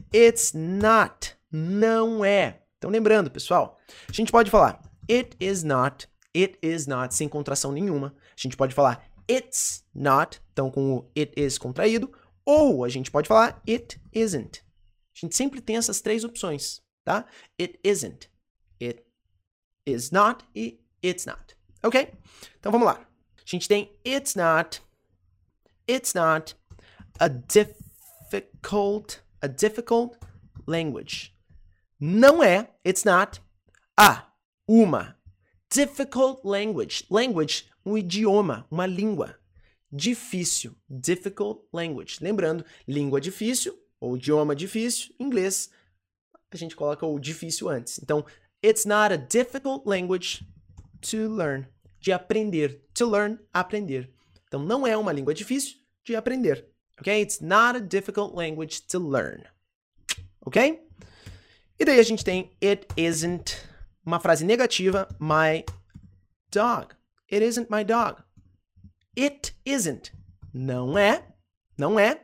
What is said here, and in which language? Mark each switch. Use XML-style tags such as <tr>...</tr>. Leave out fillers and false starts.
<en>It's not,</en> <pt>não é. Então lembrando, pessoal, a gente pode falar it is not, sem contração nenhuma. A gente pode falar it's not, então com o it is contraído, ou a gente pode falar it isn't. A gente sempre tem essas três opções, tá?</pt> <en>It isn't, it is not e it's not. Ok?</en> <pt>Então vamos lá. A gente tem</pt> <en>it's not a difficult language.</en> <pt>Não é,</pt> <en>it's not, uma difficult language.</en> <pt>Language, um idioma, uma língua. Difícil, difficult language. Lembrando, língua difícil, ou idioma difícil, inglês, a gente coloca o difícil antes.</pt> <en>Então, it's not a difficult language to learn.</en> <pt>De aprender, to learn, aprender. Então, não é uma língua difícil de aprender. Ok?</pt> <en>It's not a difficult language to learn.</en> <pt>Ok? E daí a gente tem it isn't uma frase negativa, my dog.</pt> <en>It isn't my dog. It isn't.</en> <pt>Não é. Não é.</pt>